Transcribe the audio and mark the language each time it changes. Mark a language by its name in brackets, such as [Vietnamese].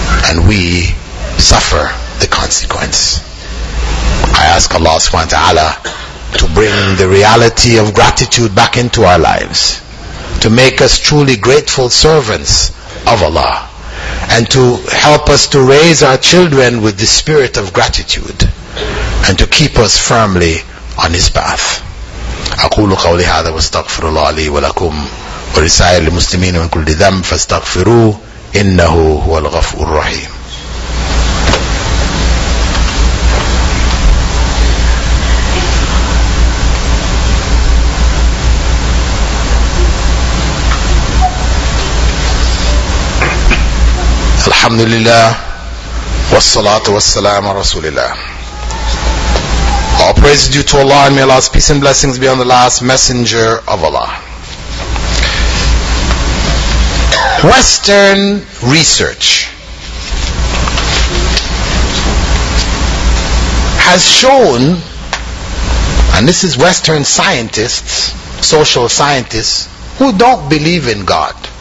[English] And we suffer the consequence. I ask Allah subhanahu wa ta'ala to bring the reality of gratitude back into our lives, to make us truly grateful servants of Allah, and to help us to raise our children with the spirit of gratitude, and to keep us firmly on His path. [Arabic] أقول قولي هذا واستغفر الله لي ولكم ولسائر المسلمين من كل ذنب فاستغفروه إنه هو الغفور الرحيم. الحمد لله والصلاة والسلام على رسول الله. [English] All praise is due to Allah, and may Allah's peace and blessings be on the last messenger of Allah. Western research has shown, and this is Western scientists, social scientists, who don't believe in God,